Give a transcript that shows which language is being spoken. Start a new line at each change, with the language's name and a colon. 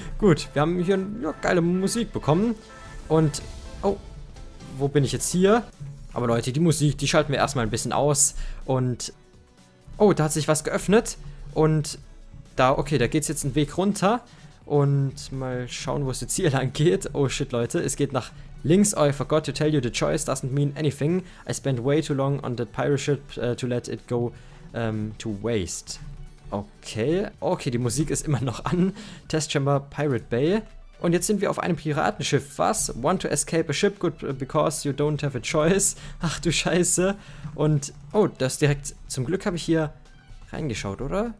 German: Gut, wir haben hier eine geile Musik bekommen. Und, oh, wo bin ich jetzt hier? Aber Leute, die Musik, die schalten wir erstmal ein bisschen aus und... Oh, da hat sich was geöffnet und da, okay, da geht es jetzt einen Weg runter und mal schauen, wo es jetzt hier lang geht. Oh shit, Leute, es geht nach links.
English: Oh, I forgot to tell you, the choice doesn't mean anything. I spent way too long on the pirate ship to let it go to waste.
German: Okay, okay, die Musik ist immer noch an. Test Chamber Pirate Bay. Und jetzt sind wir auf einem Piratenschiff. Was?
English: Want to escape a ship? Good, because you don't have a choice.
German: Ach du Scheiße. Und, oh, das direkt, zum Glück habe ich hier reingeschaut, oder?